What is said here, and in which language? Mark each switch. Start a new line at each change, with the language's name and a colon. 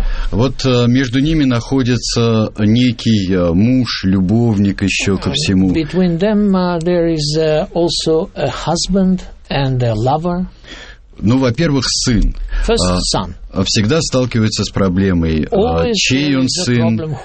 Russian: Вот между ними находится некий муж, любовник еще ко всему.
English: Between them there is also a husband and a lover.
Russian: Ну, во-первых, сын всегда сталкивается с проблемой, чей он сын.